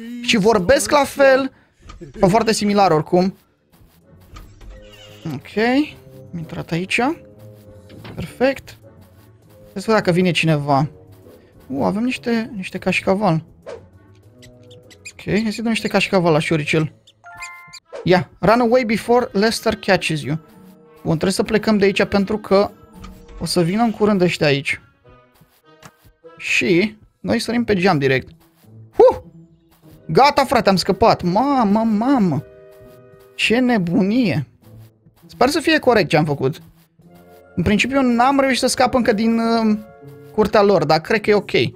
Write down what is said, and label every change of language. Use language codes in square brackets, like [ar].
[ro] Și vorbesc la fel, foarte similar oricum. Ok, am intrat aici. Perfect. Să văd dacă vine cineva. Avem niște cașcaval. Ok, hai să-i dăm niște cașcaval la șoricel. [en] Ia, run away before Lester catches you. [ro] Bun, trebuie să plecăm de aici pentru că o să vină în curând ăștia aici. Și noi sărim pe geam direct. Gata, frate, am scăpat. Mamă. Ce nebunie. Sper să fie corect ce am făcut. În principiu n-am reușit să scap încă din curtea lor, dar cred că e ok.